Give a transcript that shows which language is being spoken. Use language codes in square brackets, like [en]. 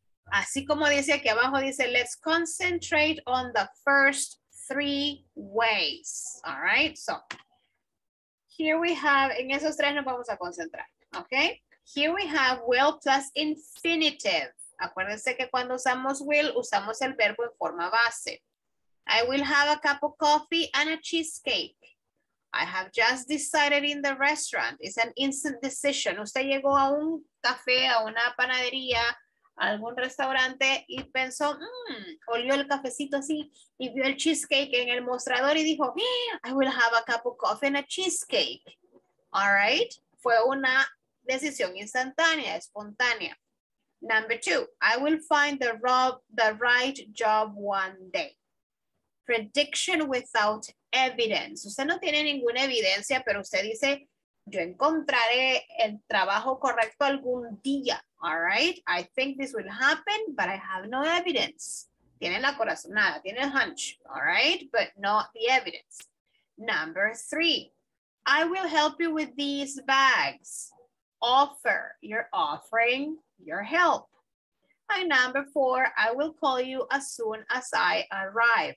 [es] Así como dice aquí abajo, dice, [en] let's concentrate on the first three ways. All right, so here we have, [es] en esos tres nos vamos a concentrar, [en] okay? Here we have will plus infinitive. [es] Acuérdense que cuando usamos will, usamos el verbo en forma base. [en] I will have a cup of coffee and a cheesecake. I have just decided in the restaurant. It's an instant decision. [es] Usted llegó a un café, a una panadería, a algún restaurante y pensó, olió el cafecito así y vio el cheesecake en el mostrador y dijo, [en] I will have a cup of coffee and a cheesecake. All right. [es] Fue una decisión instantánea, espontánea. [en] Number two, I will find the right job one day. Prediction without evidence. [es] Usted no tiene ninguna evidencia, pero usted dice, yo encontraré el trabajo correcto algún día. [en] All right, I think this will happen, but I have no evidence. [es] Tiene la corazonada, tiene el hunch. [en] All right, but not the evidence. Number three, I will help you with these bags. Offer, you're offering your help. And number four, I will call you as soon as I arrive.